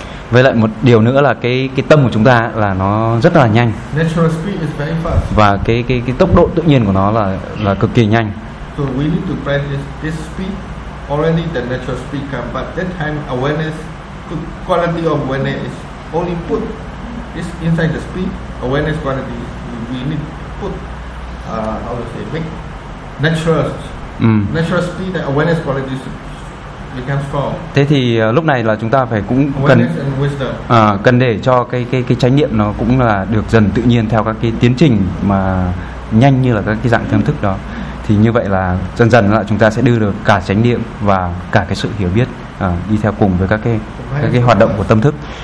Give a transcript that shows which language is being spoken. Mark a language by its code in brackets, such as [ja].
[vi] Với lại một điều nữa là cái tâm của chúng ta là nó rất là nhanh. [en] Natural speed is very fast. [vi] Và cái tốc độ tự nhiên của nó là cực kỳ nhanh. [en] So we need to practice this speed. Already the natural speed come, but that time awareness, quality of awareness is only put is inside the speed. Awareness quality we need put how to say make natural. Natural speed and awareness quality. [vi] Thế thì lúc này là chúng ta phải cũng cần cần để cho cái chánh niệm nó cũng là được dần tự nhiên theo các cái tiến trình mà nhanh như là các cái dạng thâm thức đó. Thì như vậy là dần dần là chúng ta sẽ đưa được cả chánh niệm và cả cái sự hiểu biết đi theo cùng với các cái hoạt động của tâm thức.